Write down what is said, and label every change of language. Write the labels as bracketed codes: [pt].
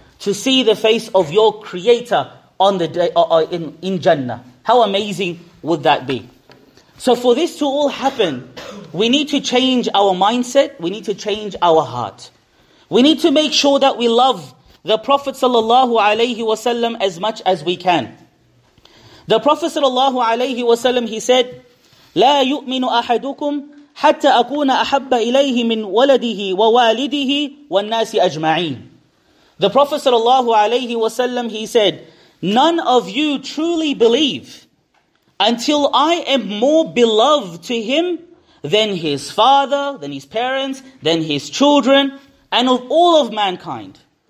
[en] To see the face of your Creator on the day in Jannah. How amazing would that be? So for this to all happen, we need to change our mindset. We need to change our heart. We need to make sure that we love the Prophet sallallahu alayhi wasallam as much as we can. The Prophet sallallahu alayhi wasallam, he said, [ar] لا يؤمن أحدكم حتى أكون أحب إليه من ولده ووالده والناس أجمعين. [en] The Prophet sallallahu alayhi wasallam, he said, none of you truly believe until I am more beloved to him than his father, than his parents, than his children, and of all of mankind.